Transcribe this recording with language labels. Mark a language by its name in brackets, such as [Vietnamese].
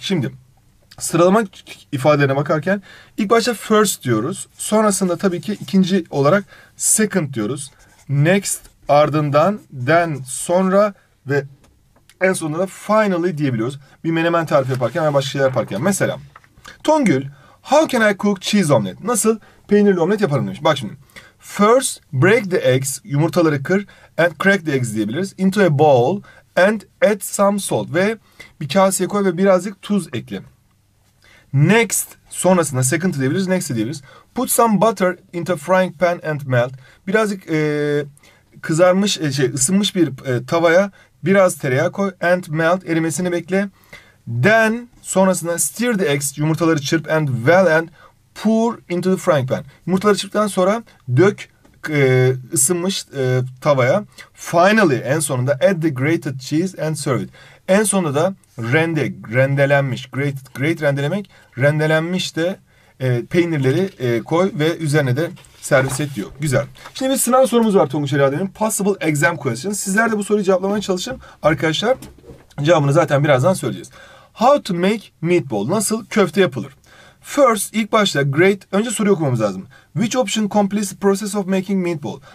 [Turkish] Şimdi sıralama ifadelerine bakarken ilk başta first diyoruz. Sonrasında tabii ki ikinci olarak second diyoruz. Next ardından then sonra ve en sonunda da finally diyebiliyoruz. Bir menemen tarifi yaparken veya başka şeyler yaparken. [English] Mesela Tongül how can I cook cheese omelet? [Turkish] Nasıl peynirli omlet yaparım demiş. Bak şimdi [English] first break the eggs [Turkish] yumurtaları kır [English] and crack the eggs [Turkish] diyebiliriz. [English] Into a bowl and add some salt [Turkish] ve bir kaseye koy ve birazcık tuz ekle. Next, sonrasında second diyebiliriz, next diyebiliriz. [English] Put some butter into frying pan and melt. [Turkish] Birazcık kızarmış, ısınmış bir tavaya biraz tereyağı koy [English] and melt, [Turkish] erimesini bekle. [English] Then, sonrasında stir the eggs, [Turkish] yumurtaları çırp [English] and well and pour into the frying pan. [Turkish] Yumurtaları çırptan sonra dök ısınmış tavaya. [English] Finally, [Turkish] en sonunda [English] add the grated cheese and serve it. [Turkish] En sonunda da rendelenmiş, great rendelemek, rendelenmiş de peynirleri koy ve üzerine de servis et diyor. Güzel. Şimdi bir sınav sorumuz var Tonguç Herade'nin. [English] Possible exam question. [Turkish] Sizler de bu soruyu cevaplamaya çalışın. Arkadaşlar cevabını zaten birazdan söyleyeceğiz. [English] How to make meatball? [Turkish] Nasıl köfte yapılır? First, ilk başta great, önce soruyu okumamız lazım. [English] Which option completes the process of making meatball?